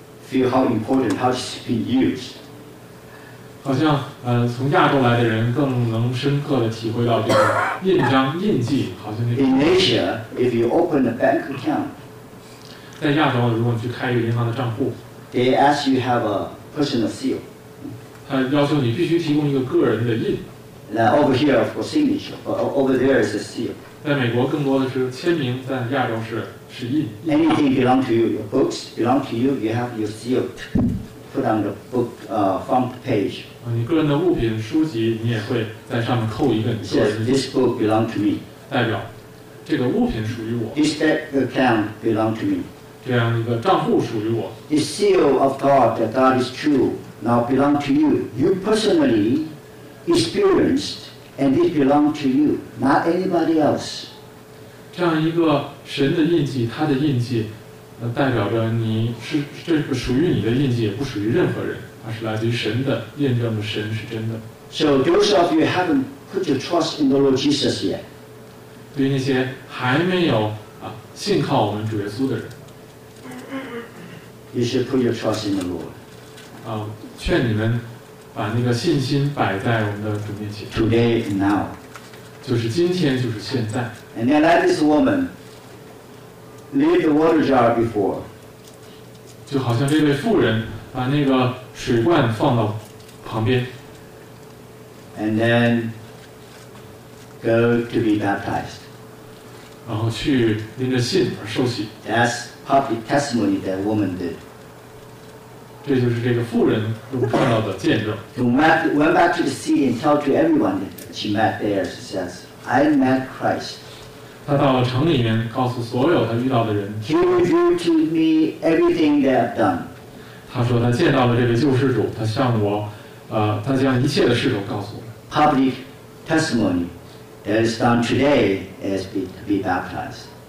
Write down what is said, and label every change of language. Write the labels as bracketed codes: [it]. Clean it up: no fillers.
[en] Feel how important, how it's been used. [zh] 好像从亚洲来的人更能深刻地体会到这个印章印记，好像那个。 [en] In Asia, if you open a bank account, [zh] 在亚洲，如果你去开一个银行的账户 [en] ，they ask you have a personal seal. [zh] 他要求你必须提供一个个人的印。 [en] Now over here, of course, signature, but over there is a seal. [zh] 在美国更多的是签名，在亚洲是。 [en] Anything belong to you, your books belong to you, you have your seal put on the book front page. [zh] 你个人的物品、书籍，你也会在上面扣一个你个人的。 [en] Says this book belong to me. [zh] 代表这个物品属于我。 [en] This bank account belong to me. [zh] 这样一个账户属于我。 [en] This seal of God, that God is true, now belong to you. You personally experienced, and it belong to you, not anybody else. [zh] 这样一个神的印记，他的印记，代表着你是这个属于你的印记，也不属于任何人，而是来自于神的印证的神是真的。 [en] So those of you haven't put your trust in the Lord Jesus yet， [zh] 对于那些还没有信靠我们主耶稣的人 [en] ，You should put your trust in the Lord。 [zh] 劝你们把那个信心摆在我们的主面前。 [en] Today and now。 [zh] 就是今天，就是现在。 [en] And then let this woman leave the water jar before. [zh] 就好像这位妇人把那个水罐放到旁边。 [en] And then go to be baptized. [zh] 然后去拎着信而受洗。 [en] That's public testimony that woman did. [zh] 这就是这个妇人所看到的见证。 [en] She went back to the city and told to everyone that she met there. She says, I met Christ. [zh] 他到了城里面，告诉所有他遇到的人。 [en] He revealed to me everything they have done. [zh] 他说他见到了这位救世主，他向我，他将一切的事都告诉我。 [en] Public testimony that is done today is to be baptized.